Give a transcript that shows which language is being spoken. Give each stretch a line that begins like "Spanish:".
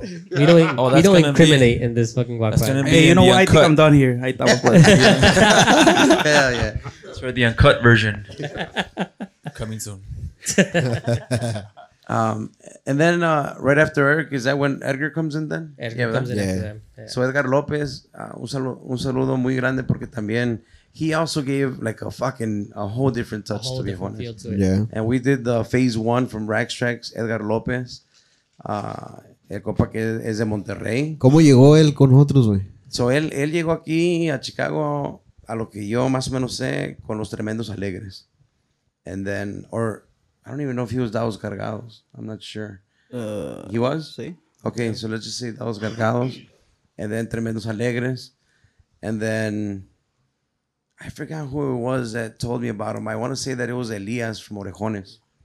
English: We don't incriminate in this fucking guacamole. Hey, you know what? I think I'm done here. I thought we're done. Hell yeah. That's for the uncut version. Coming soon. And then right after Eric, is that when Edgar comes in then? Edgar comes in after them.
Spanish: So Edgar Lopez, un saludo muy grande porque también...
English: He also gave like a whole different touch, a whole to be different honest. Feel to it. Yeah. And we did the phase one from Rax Tracks, Edgar Lopez,
Spanish: el compa que es de Monterrey. ¿Cómo llegó él con nosotros, güey? So él llegó aquí a Chicago, a lo que yo más o menos sé, con los Tremendos Alegres.
English: And then, or I don't even know if he was Dados Cargados. I'm not sure. He was?
Spanish: Sí.
English: Okay, yeah. So let's just say Dados Cargados. And then Tremendos Alegres. And then. I forgot who it was that told me about him. I want to say that it was Elias from Orejones.